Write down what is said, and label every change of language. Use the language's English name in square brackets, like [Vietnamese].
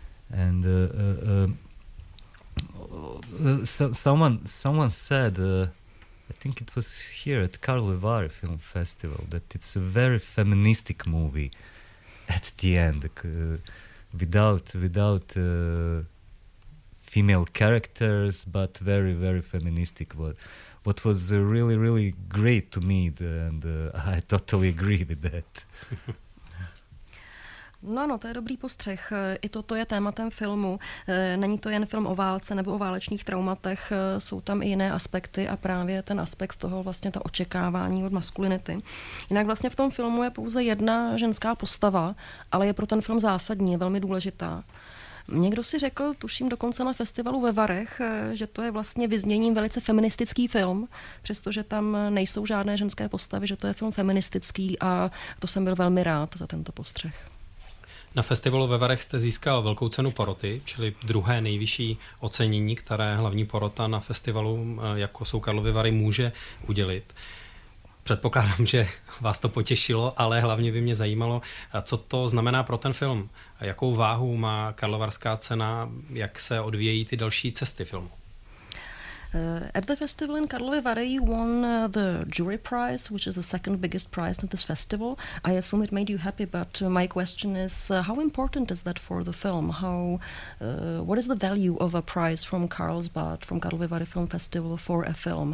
[English] And someone said, I think it was here at Karlovy Vary Film Festival, that it's a very feministic movie at the end, without female characters, but very very feministic. What was really really great to me, and I totally agree with that. [Czech] No ano, to je dobrý postřeh. I toto je tématem filmu. Není to jen film o válce nebo o válečných traumatech, jsou tam i jiné aspekty a právě ten aspekt toho vlastně ta očekávání od maskulinity. Jinak vlastně v tom filmu je pouze jedna ženská postava, ale je pro ten film zásadní, je velmi důležitá. Někdo si řekl, tuším dokonce na festivalu ve Varech, že to je vlastně vyzněním velice feministický film, přestože tam nejsou žádné ženské postavy, že to je film feministický, a to jsem byl velmi rád za tento postřeh. Na festivalu ve Varech jste získal velkou cenu poroty, čili druhé nejvyšší ocenění, které hlavní porota na festivalu, jako jsou Karlovy Vary, může udělit. Předpokládám, že vás to potěšilo, ale hlavně by mě zajímalo, co to znamená pro ten film. Jakou váhu má Karlovarská cena, jak se odvíjejí ty další cesty filmu? [English] At the festival in Karlovy Vary, you won the jury prize, which is the second biggest prize at this festival. I assume it made you happy, but my question is, how important is that for the film? What is the value of a prize from Karlsbad, from Karlovy Vary Film Festival, for a film?